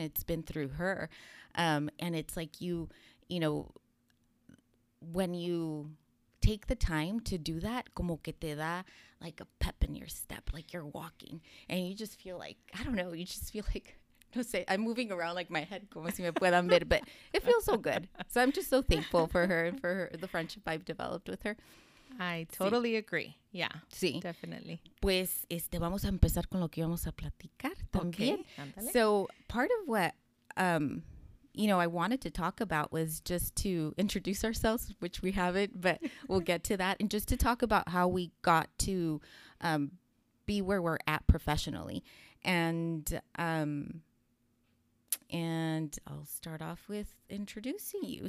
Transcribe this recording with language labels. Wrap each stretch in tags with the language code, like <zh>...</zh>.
<en>It's been through her. And it's like you know, when you take the time to do that,</en> <es>como que te da</es> <en>like a pep in your step, like you're walking and you just feel like, I don't know, you just feel like,</en> <es>no sé,</es> <en>I'm moving around like my head,</en> <es>como si me puedan ver,</es> <en>but it feels so good. So I'm just so thankful for her and for her, the friendship I've developed with her. I totally agree. Yeah.</en> <es>Sí.</es> <en>Definitely.</en> <es>Pues vamos a empezar con lo que vamos a platicar también.</es> <en>Okay. So part of what, you know, I wanted to talk about was just to introduce ourselves, which we haven't, but we'll get to that. And just to talk about how we got to be where we're at professionally. And I'll start off with introducing you.</en>